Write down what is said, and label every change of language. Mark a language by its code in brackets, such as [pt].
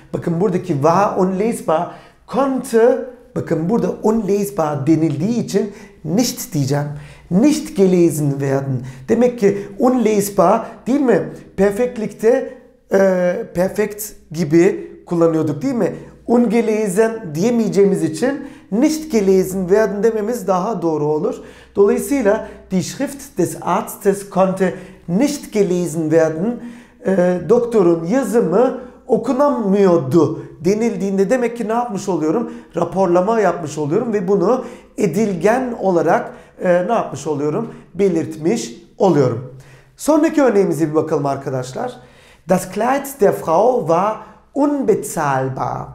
[tr] Bakın buradaki [de] war unlesbar konnte, [tr] bakın burada unlesbar denildiği için nicht diyeceğim. [de] Nicht gelesen werden. [tr] Demek ki unlesbar değil mi? Perfektlikte perfect gibi kullanıyorduk değil mi? Ungelesen diyemeyeceğimiz için [de] nicht gelesen werden [tr] dememiz daha doğru olur. [de] Dolayısıyla die Schrift des Arztes konnte nicht gelesen werden. [tr] Doktorun yazımı okunamıyordu denildiğinde demek ki ne yapmış oluyorum? Raporlama yapmış oluyorum ve bunu edilgen olarak ne yapmış oluyorum? Belirtmiş oluyorum. Sonraki örneğimize bir bakalım arkadaşlar. [de] Das Kleid der Frau war unbezahlbar.